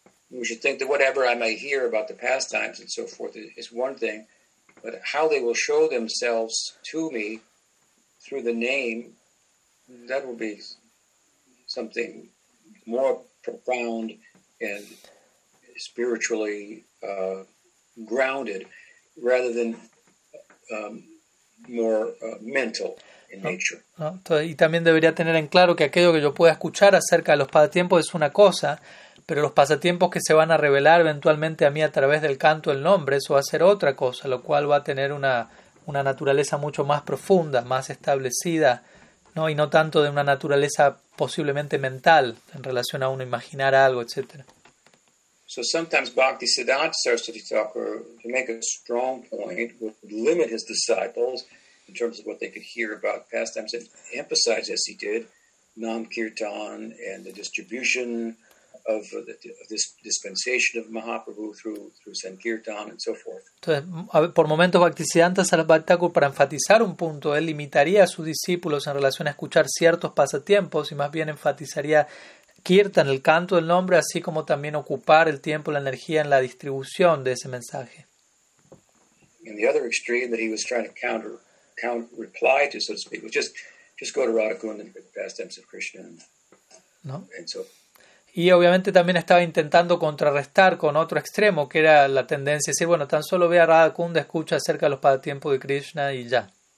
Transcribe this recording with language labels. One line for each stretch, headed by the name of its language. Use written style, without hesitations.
English: We should think that whatever I may hear about the pastimes and so forth is one thing, but how they will show themselves to me through the name, that will be something more profound and spiritually grounded, rather than more mental in nature.
Spanish: No, y también debería tener en claro que aquello que yo pueda escuchar acerca de los pasatiempos es una cosa, pero los pasatiempos que se van a revelar eventualmente a mí a través del canto del nombre, eso va a ser otra cosa, lo cual va a tener una naturaleza mucho más profunda, más establecida, no, y no tanto de una naturaleza posiblemente mental en relación a uno imaginar algo, etcétera.
English: So sometimes Bhakti Siddhanta Saraswati Thakur, to make a strong point, would limit his disciples in terms of what they could hear about pastimes and emphasize, as he did, Nam Kirtan and the distribution of this dispensation of Mahaprabhu through Sankirtan and so forth.
Spanish: Entonces, por momento, Bhaktisiddhanta Saraswati Thakur, para enfatizar un punto, él limitaría a sus discípulos en relación a escuchar ciertos pasatiempos y más bien enfatizaría Kirtan, el canto del nombre, así como también ocupar el tiempo, la energía en la distribución de ese mensaje.
English: And the other extreme that he was trying to reply to, so to speak, was just go to Radhakunda and pastimes of Krishna. No. And so.
Spanish: Y obviamente también estaba intentando contrarrestar con otro extremo, que era la tendencia de decir, bueno, tan solo ve a Radhakunda, escucha acerca de los pasatiempos de Krishna y ya.